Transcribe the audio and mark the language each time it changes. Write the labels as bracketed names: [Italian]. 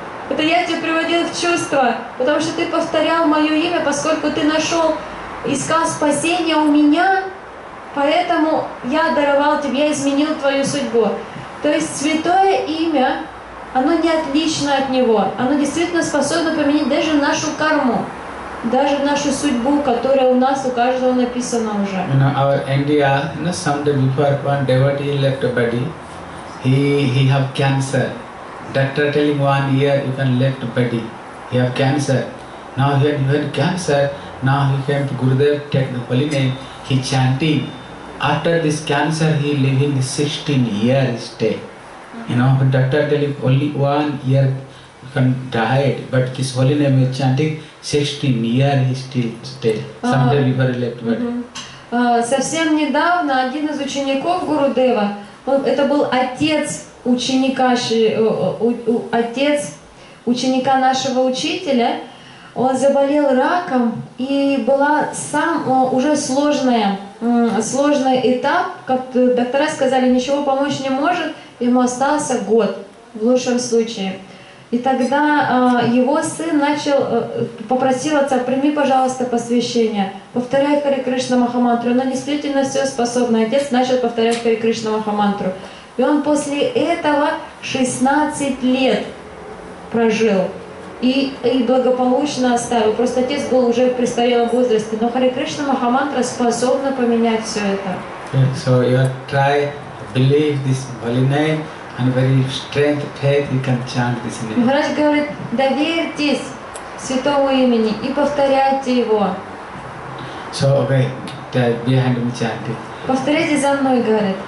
[Russian] Это я тебя приводил в чувство, потому что ты повторял мое имя, поскольку ты нашел, искал спасения у меня, поэтому я даровал тебе, я изменил твою судьбу». То есть святое имя, оно не отлично от него, оно действительно способно поменять даже нашу карму, даже нашу судьбу, которая у нас, у каждого написана уже. [English] You know, our India, you know, someday before one devotee left a body, he have cancer. Doctor telling 1 year you can left body, he have cancer. Now he had cancer, now he came to Gurudev, take the holy name, he chanting. After this cancer he living 16 years stay. You know, but doctor telling only 1 year you can die, but this holy name is chanting, 16 years he still stay. Someday before he left body. [Russian] Совсем недавно один из учеников Гурудева, это был отец ученика, отец ученика нашего учителя, он заболел раком, и была сам уже сложный этап, как доктора сказали, ничего помочь не может, ему остался год в лучшем случае. И тогда его сын начал, попросил отца: «Прими, пожалуйста, посвящение, повторяй Харе Кришна Махамантру». Но действительно все способно, отец начал повторять Харе Кришна Махамантру. И он после этого 16 лет прожил и благополучно оставил. Просто отец был уже в престарелом возрасте. Но Харе Кришна Махамантра способна поменять все это. [English] So you try believe this holy name and very strength, faith, you can chant this name. [Russian] Махарадж говорит: доверьтесь святому имени и повторяйте его. [English] So okay, behind me chanting. [Russian] Повторяйте за мной, говорит.